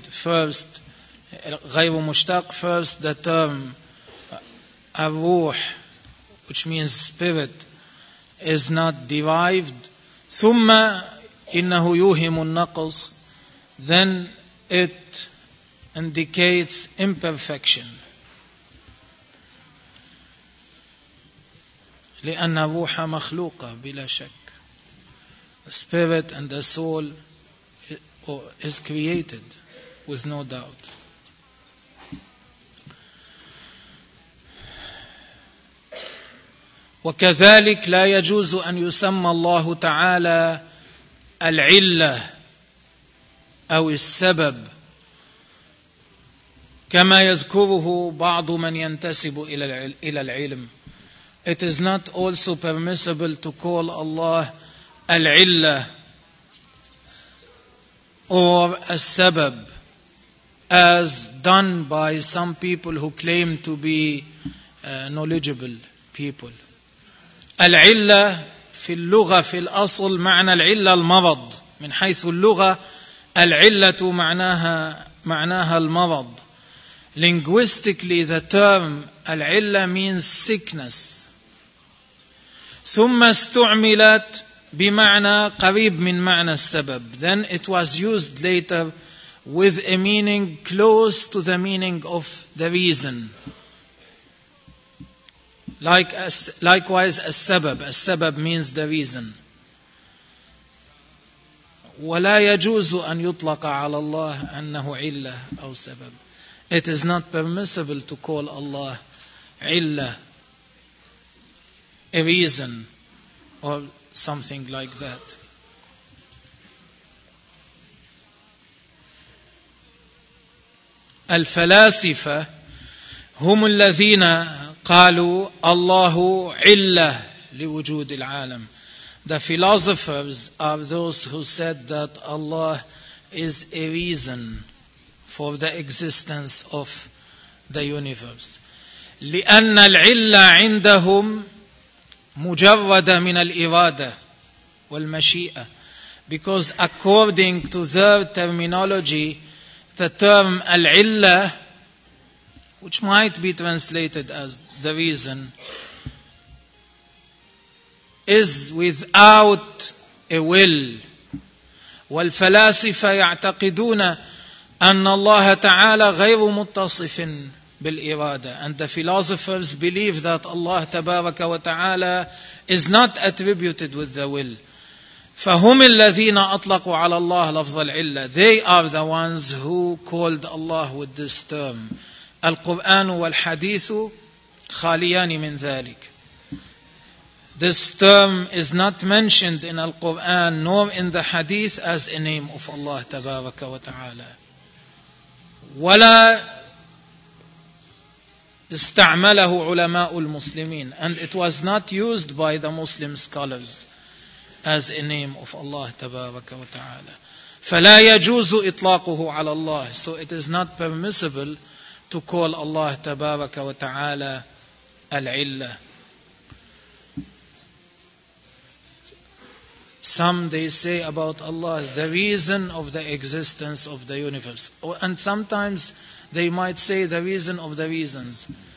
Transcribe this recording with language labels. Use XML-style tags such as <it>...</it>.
<en>First,</en> <ar>غير مشتق.</ar> <en>First, the term الروح, which means spirit, is not derived.</en> <ar>ثم إنه يوهم النقص.</ar> <en>Then it indicates imperfection,</en> <ar>لأن الروح مخلوقة بلا شك.</ar> <en>Spirit and the soul is created with no doubt.</en> <ar>وكذلك لا يجوز أن يسمى الله تعالى العلة أو السبب كما يذكره بعض من ينتسب إلى العلم.</ar> <en>It is not also permissible to call Allah العلة or a سبب, as done by some people who claim to be knowledgeable people.</en> <ar>العلة في اللغة في الأصل معنى العلة المرض. من حيث اللغة العلة معناها المرض.</ar> <en>Linguistically the term العلة means sickness.</en> <ar>ثم استعملت بمعنى قريب من معنى السبب.</ar> <en>Then it was used later with a meaning close to the meaning of the reason. Likewise, السبب. السبب means the reason.</en> <ar>ولا يجوز أن يطلق على الله أنه علة أو سبب.</ar> <en>It is not permissible to call Allah علة, a reason, or something like that.</en> <ar>الفلاسفة هم الذين قالوا الله علة لوجود العالم.</ar> <en>The philosophers are those who said that Allah is a reason for the existence of the universe.</en> <ar>لأن العلة عندهم مجرد من الإرادة والمشيئة.</ar> <en>Because according to their terminology, the term العلة, which might be translated as the reason, is without a will.</en> <ar>والفلاسفة يعتقدون أن الله تعالى غير متصف بالإرادة.</ar> <en>And the philosophers believe that Allah</en> <ar>تبارك وتعالى</ar> <en>is not attributed with the will.</en> <ar>فهم الذين أطلقوا على الله لفظ العلة.</ar> <en>They are the ones who called Allah with this term.</en> <ar>القرآن والحديث خاليان من ذلك.</ar> <en>This term is not mentioned in Al-Quran nor in the Hadith as a name of Allah</en> <ar>تبارك وتعالى. ولا استعمله علماء المسلمين.</ar> <en>And it was not used by the Muslim scholars as a name of Allah</en> <ar>تبارك وتعالى. فلا يجوز إطلاقه على الله.</ar> <en>So it is not permissible to call Allah</en> <ar>تبارك وتعالى العلة.</ar> <en>Some they say about Allah, the reason of the existence of the universe. And sometimes they might say the reason of the reasons.</en>